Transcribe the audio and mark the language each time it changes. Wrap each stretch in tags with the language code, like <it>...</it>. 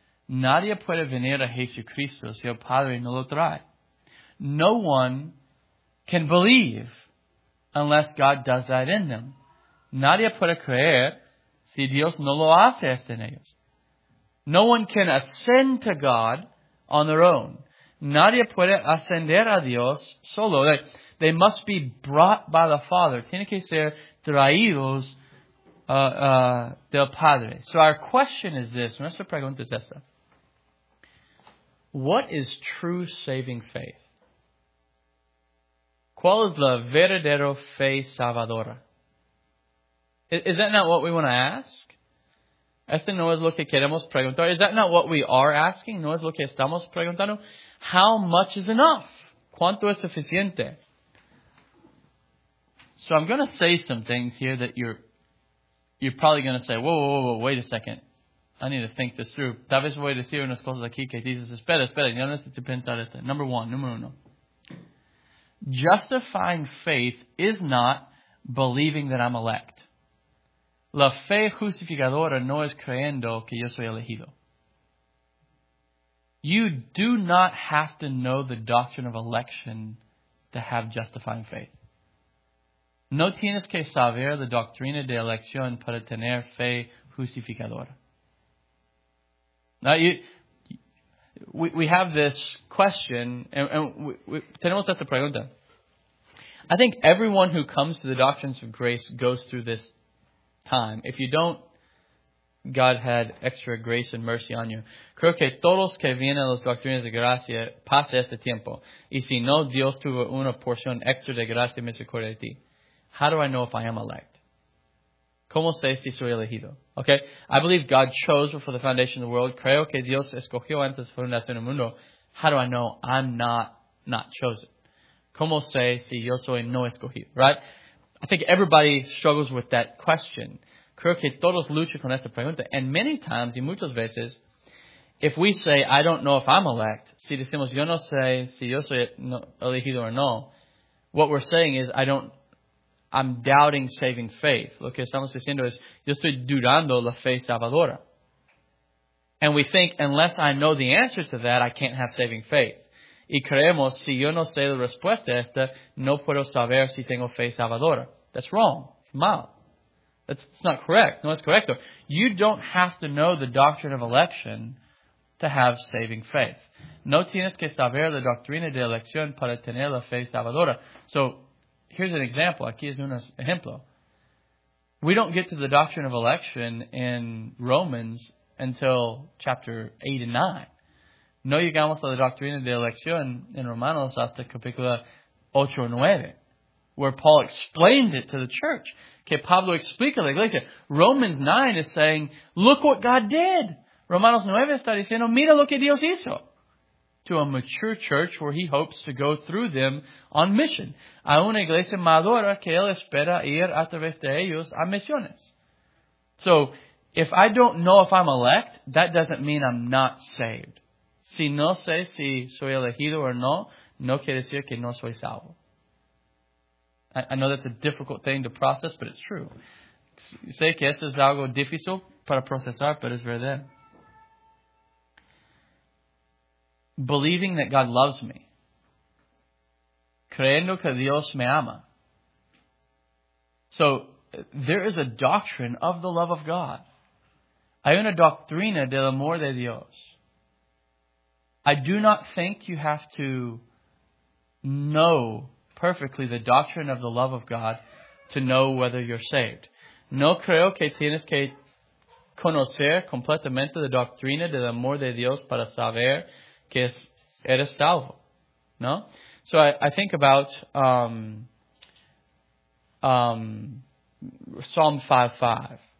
<es>Nadie puede venir a Jesucristo si el Padre no lo trae.</es> <en>No one can believe unless God does that in them.</en> <es>Nadie puede creer si Dios no lo hace en ellos.</es> <en>No one can ascend to God on their own.</en> <es>Nadie puede ascender a Dios solo.</es> <en>They must be brought by the Father.</en> <es>Tiene que ser traídos del Padre.</es> <en>So our question is this.</en> <es>Nuestra pregunta es esta.</es> <en>What is true saving faith?</en> <es>¿Cuál es la verdadera fe salvadora?</es> <en>Is that not what we want to ask?</en> <es>¿Este no es lo que queremos preguntar?</es> <en>Is that not what we are asking?</en> <es>¿No es lo que estamos preguntando?</es> <en>How much is enough?</en> <es>¿Cuánto es suficiente?</es> <en>So I'm going to say some things here that you're probably going to say, whoa, wait a second. I need to think this through.</en> <es>Tal vez voy a decir unas cosas aquí que dices, espera, yo necesito pensar esto.</es> <en>Number one,</en> <es>número uno.</es> <en>Justifying faith is not believing that I'm elect.</en> <es>La fe justificadora no es creyendo que yo soy elegido.</es> <en>You do not have to know the doctrine of election to have justifying faith.</en> <es>No tienes que saber la doctrina de elección para tener fe justificadora.</es> <en>Now, we have this question, and</en> <es>tenemos esta pregunta.</es> <en>I think everyone who comes to the doctrines of grace goes through this time. If you don't, God had extra grace and mercy on you.</en> <es>Creo que todos que vienen a las doctrinas de gracia pasan este tiempo. Y si no, Dios tuvo una porción extra de gracia y misericordia de ti.</es> <en>How do I know if I am elect?</en> <es>¿Cómo sé si soy elegido?</es> <en>Okay? I believe God chose before the foundation of the world.</en> <es>Creo que Dios escogió antes de la fundación del mundo.</es> <en>How do I know I'm not chosen?</en> <es>¿Cómo sé si yo soy no escogido?</es> <en>Right? I think everybody struggles with that question.</en> <es>Creo que todos luchan con esta pregunta.</es> <en>And many times,</en> <es>y muchas veces,</es> <en>if we say, I don't know if I'm elect,</en> <es>si decimos, yo no sé si yo soy elegido</es> <en>or no, what we're saying is, I'm doubting saving faith.</en> <es>Lo que estamos diciendo es, yo estoy dudando la fe salvadora.</es> <en>And we think, unless I know the answer to that, I can't have saving faith.</en> <es>Y creemos, si yo no sé la respuesta a esta, no puedo saber si tengo fe salvadora.</es> <en>That's wrong. It's mal. That's not correct.</en> <es>No es correcto.</es> <en>You don't have to know the doctrine of election to have saving faith.</en> <es>No tienes que saber la doctrina de elección para tener la fe salvadora.</es> <en>So, here's an example.</en> <es>Aquí es un ejemplo.</es> <en>We don't get to the doctrine of election in Romans until chapter 8 and 9.</en> <es>No llegamos a la doctrina de elección en Romanos hasta capítulo 8 y 9,</es> <en>where Paul explains it to the church.</en> <es>Que Pablo explica la iglesia.</es> <en>Romans 9 is saying, look what God did.</en> <es>Romanos 9 está diciendo, mira lo que Dios hizo.</es> <en>To a mature church where he hopes to go through them on mission.</en> <es>A una iglesia madura que él espera ir a través de ellos a misiones.</es> <en>So, if I don't know if I'm elect, that doesn't mean I'm not saved.</en> <es>Si no sé si soy elegido o no, no quiere decir que no soy salvo.</es> <en>I know that's a difficult thing to process, but it's true.</en> <es>Sé que eso es algo difícil para procesar, pero es verdad.</es> <en>Believing that God loves me.</en> <es>Creyendo que Dios me ama.</es> <en>So, there is a doctrine of the love of God.</en> <es>Hay una doctrina del amor de Dios.</es> <en>I do not think you have to know perfectly the doctrine of the love of God to know whether you're saved.</en> <es>No creo que tienes que conocer completamente la doctrina del amor de Dios para saber que eres salvo.</es> <en>No? So I think about Psalm 5:5.</en>